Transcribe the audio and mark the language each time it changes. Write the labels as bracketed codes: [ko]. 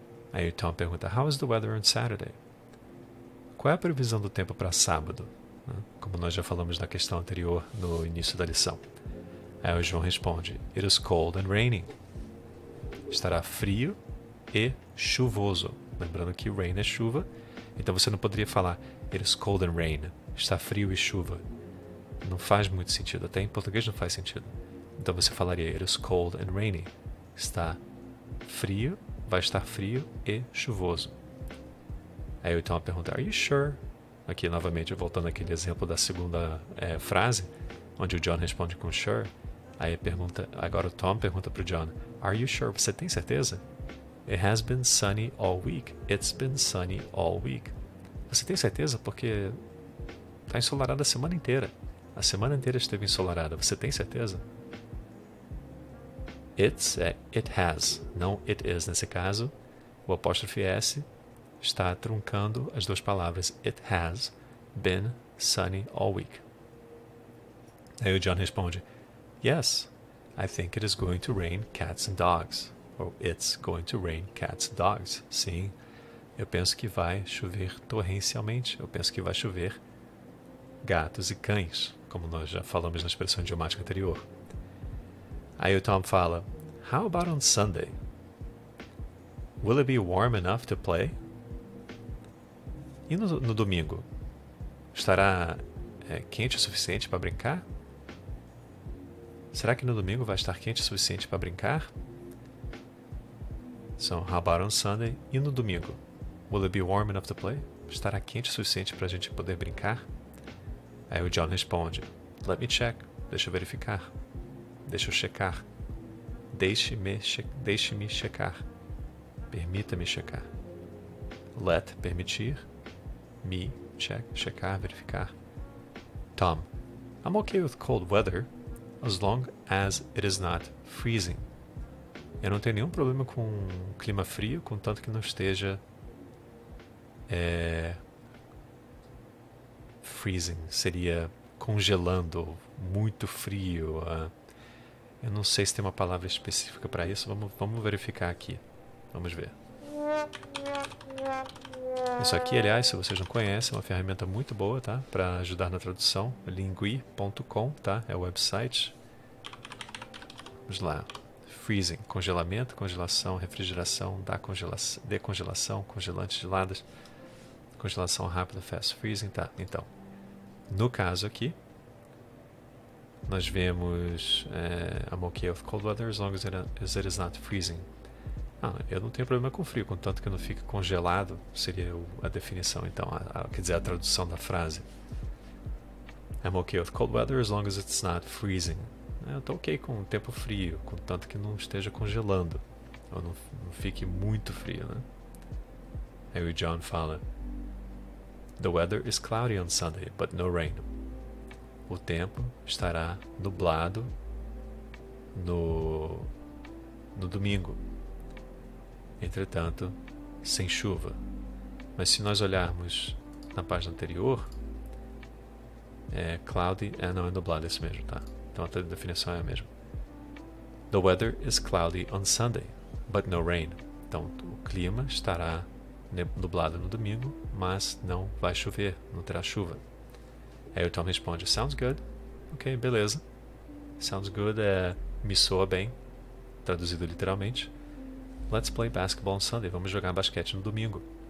[pt] Aí o Tom pergunta: [en] How is the weather on Saturday? [pt] Qual é a previsão do tempo para sábado? Como nós já falamos na questão anterior, no início da lição. Aí o João responde: [en] It is cold and raining. [pt] Estará frio e chuvoso. Lembrando que rain é chuva, então você não poderia falar [en] It is cold and rain. [pt] Está frio e chuva. Não faz muito sentido, até em português não faz sentido. Então você falaria: [en] It is cold and rainy. [pt] Está frio, vai estar frio e chuvoso. Aí eu então pergunto: [en] Are you sure? [pt] Aqui novamente, voltando àquele exemplo da segunda frase, onde o John responde com sure. Aí pergunta, agora o Tom pergunta para o John: [en] Are you sure? [pt] Você tem certeza? [en] It has been sunny all week. It's been sunny all week. [pt] Você tem certeza? Porque está ensolarada a semana inteira. A semana inteira esteve ensolarada. Você tem certeza? [en] It has, não it is. [pt] Nesse caso, o apóstrofe S está truncando as duas palavras. [en] It has been sunny all week. [pt] Aí o John responde: [en] Yes, I think it is going to rain cats and dogs. Or it's going to rain cats and dogs. [pt] Sim, eu penso que vai chover torrencialmente. Eu penso que vai chover gatos e cães, como nós já falamos na expressão idiomática anterior. Aí o Tom fala: [en] How about on Sunday? Will it be warm enough to play? [pt] E no domingo? Estará quente o suficiente para brincar? Será que no domingo vai estar quente o suficiente para brincar? [en] So, how about on Sunday? [pt] E no domingo? [en] Will it be warm enough to play? [pt] Estará quente o suficiente para a gente poder brincar? Aí o John responde: [en] Let me check. [pt] Deixa eu verificar. Deixa eu checar. Deixe-me checar. Permita-me checar. Let, permitir. Me, check, checar, verificar. [en] Tom, I'm okay with cold weather, as long as it is not freezing. [pt] Eu não tenho nenhum problema com clima frio, contanto que não esteja freezing, seria congelando, muito frio. Eu não sei se tem uma palavra específica para isso. Vamos verificar aqui. Vamos ver. Isso aqui, aliás, se vocês não conhecem, é uma ferramenta muito boa, tá? Para ajudar na tradução. Lingui.com, tá? É o website. Vamos lá. Freezing, congelamento, congelação, refrigeração, da congelação, decongelação, congelante, geladas, congelação rápida, fast freezing, tá? Então, no caso aqui, nós vemos [en] I'm okay with cold weather as long as it is not freezing. [pt] Ah, eu não tenho problema com frio, contanto que não fique congelado, seria a definição, então, quer dizer, a tradução da frase. [en] I'm okay with cold weather as long as it's not freezing. [pt] Eu estou ok com o tempo frio, contanto que não esteja congelando, ou não fique muito frio, né? Aí o John fala: [en] The weather is cloudy on Sunday, but no rain. [pt] O tempo estará nublado no domingo. Entretanto, sem chuva. Mas se nós olharmos na página anterior, é cloudy, não, é nublado, é isso mesmo, tá? Então a definição é a mesma. [en] The weather is cloudy on Sunday, but no rain. [pt] Então o clima estará nublado no domingo, mas não vai chover, não terá chuva. Aí o Tom responde: [en] Sounds good. [pt] Ok, beleza. Sounds good é me soa bem, traduzido literalmente. [en] Let's play basketball on Sunday. [pt] Vamos jogar basquete no domingo.